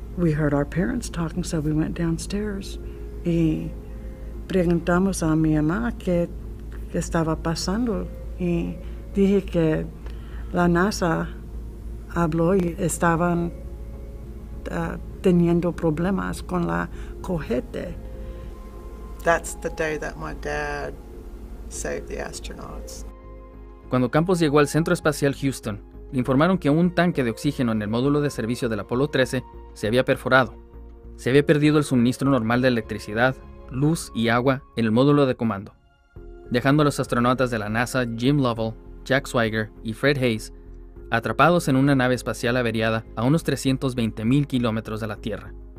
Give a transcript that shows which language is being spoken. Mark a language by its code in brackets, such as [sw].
[en] We heard our parents talking, so we went downstairs. [es] Y preguntamos a mi mamá qué estaba pasando. Y dije que la NASA habló y estaban teniendo problemas con la cohete. [en] That's the day that my dad saved the astronauts. [es] Cuando Campos llegó al Centro Espacial Houston, le informaron que un tanque de oxígeno en el módulo de servicio del Apolo 13 se había perforado. Se había perdido el suministro normal de electricidad, luz y agua en el módulo de comando, dejando a los astronautas de la NASA Jim Lovell, Jack Swigert y Fred Hayes atrapados en una nave espacial averiada a unos 320 mil kilómetros de la Tierra.